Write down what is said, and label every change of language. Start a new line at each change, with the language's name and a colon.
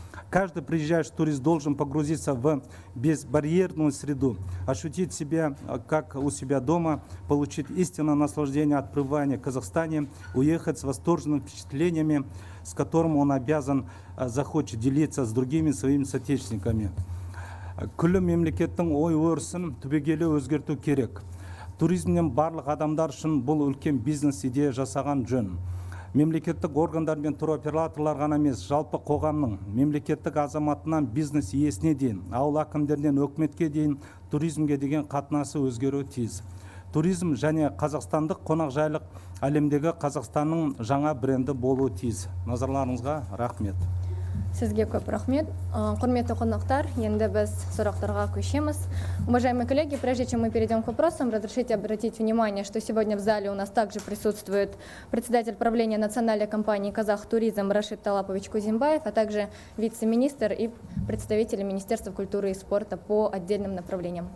Russian: Каждый приезжающий турист должен погрузиться в безбарьерную среду, ощутить себя как у себя дома, получить истинное наслаждение от пребывания в Казахстане, уехать с восторженными впечатлениями, с которым он обязан захочет делиться с другими своими соотечественниками.
Kazakh: Күлі мемлекеттің ой өрісін түбегелі өзгерту керек. Туризмнен барлық адамдар үшін бұл үлкен бизнес идея жасаған жөн. Мемлекеттік органдар мен туроператорлар ғана емес, жалпы қоғамның мемлекеттік азаматынан бизнес иесіне дейін, ауыл әкімдерінен өкіметке дейін туризмге деген қатынасы өзгеруі тиіс. Туризм және қазақстандық қонақжайлық әлемдегі Қазақстанның жаңа бренді болуы тиіс. Назарларыңызға рахмет. Сізге көп рахмет. Құрметті қонақтар, енді біз сұрақтарға көшеміз.
Russian: Уважаемые коллеги, прежде чем мы перейдем к вопросам, разрешите обратить внимание, что сегодня в зале у нас также присутствует председатель правления национальной компании «Казахтуризм» Рашид Талапович Кузимбаев, а также вице-министр и представители Министерства культуры и спорта по отдельным направлениям.